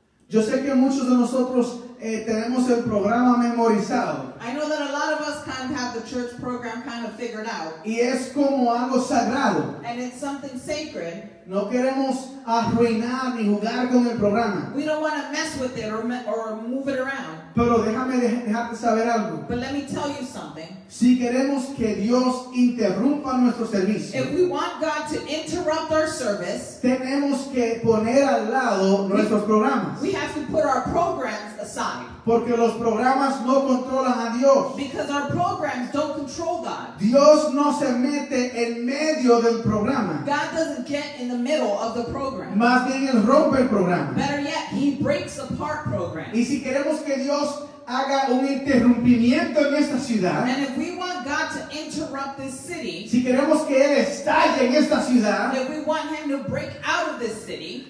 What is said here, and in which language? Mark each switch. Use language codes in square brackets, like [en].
[es] Yo sé que muchos de nosotros tenemos el programa memorizado. [en] I know that a lot of us kind of have the church program kind of figured out. [es] Y es como algo sagrado. [en] And it's something sacred. [es] No queremos arruinar ni jugar con el programa. [en] We don't want to mess with it or move it around. [es] Pero déjame dejarte saber algo. [en] But let me tell you something. [es] Si queremos que Dios interrumpa nuestro servicio, [en] if we want God to interrupt our service, [es] tenemos que poner al lado nuestros programas. [en] We have to put our programs aside. [es] Porque los programas no controlan a Dios. [en] Because our programs don't control God. [es] Dios no se mete en medio del programa. [en] God doesn't get in the middle of the program. [es] Más bien él rompe el programa. [en] Better yet, he breaks apart programs. [es] Y si queremos que Dios haga un interrumpimiento en esta ciudad, [en] and if we want God to interrupt this city, [es] si queremos que él estalle en esta ciudad, [en] if we want him to break out of this city,